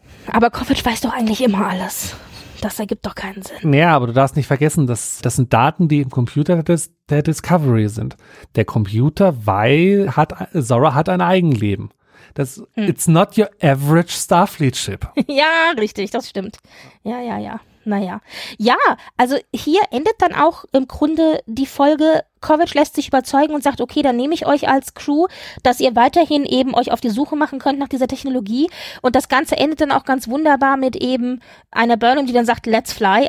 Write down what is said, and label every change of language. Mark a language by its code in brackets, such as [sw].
[de] Aber Kovac weiß doch eigentlich immer alles. Das ergibt doch keinen Sinn. Naja, aber du darfst nicht vergessen, das sind Daten, die im Computer der Discovery sind. Der Computer Zora hat ein Eigenleben. [en] It's not your average Starfleet ship. [de] Ja, richtig, das stimmt. Ja, ja, ja. Naja. Ja, also hier endet dann auch im Grunde die Folge. Kovac lässt sich überzeugen und sagt, okay, dann nehme ich euch als Crew, dass ihr weiterhin eben euch auf die Suche machen könnt nach dieser Technologie. Und das Ganze endet dann auch ganz wunderbar mit eben einer Burnham, die dann sagt, [en] let's fly.